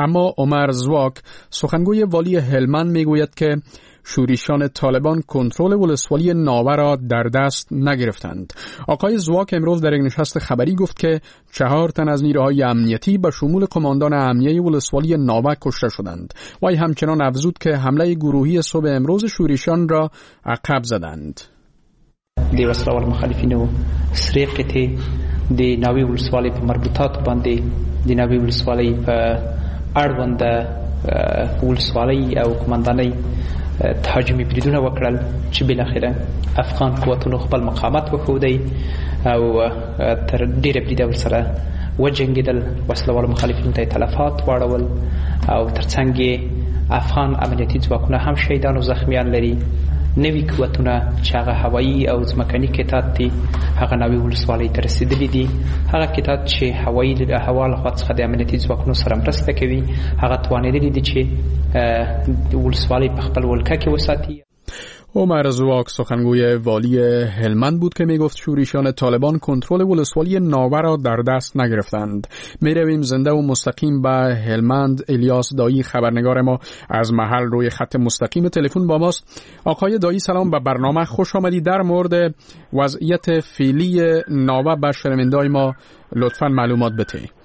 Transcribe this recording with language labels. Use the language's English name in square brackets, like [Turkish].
[Persian] اما عمر زواک سخنگوی والی هلمند میگوید که شورشیان طالبان کنترل ولسوالی ناوه را در دست نگرفتند. آقای زواک امروز در یک نشست خبری گفت که 4 تن از نیروهای امنیتی به شمول قماندان امنیه ولسوالی ناوه کشته شدند. وی همچنان افزود که حمله گروهی صبح امروز شورشیان را عقب زدند. [Pashto] دی وسله وال مخالفین و سرقت دی ناوی ولسوالی په مربوطات باندې دی ناوی ولسوالی په اړوند ولسوالی او قماندانۍ تهاجمی بریدونه وکړل چې بالاخره افغان قوتونو خپل مقامات وښودی او تر ډیره بریده ورسره وجنګیدل، وسلوالو مخالفینو ته یې تلفات واړول او تر څنګ یې افغان عملیاتي ځواکونه هم شهیدان او زخمیان لري. نوي قوتونه چې هغه هوایی او ځمکني کتاد دي هغه نوې ولسوالۍ ته رسېدلي دي. هغه کتاد چې هوایی د هوا لخوا څخه د امنیتي ځواکونو سره مرسته کوي هغه توانېدلي دي چې ولسوالۍ په خپل ولکه کې وساتي. [Persian] عمر زواک سخنگوی والی هلمند بود که می گفت شورشیان طالبان کنترل ولسوالی ناوه را در دست نگرفتند. می رویم زنده و مستقیم به هلمند. الیاس دایی خبرنگار ما از محل روی خط مستقیم تلفن با ماست. آقای دایی سلام، به برنامه خوش آمدی. در مورد وضعیت فعلی ناوه به شنوندای ما لطفا معلومات بده.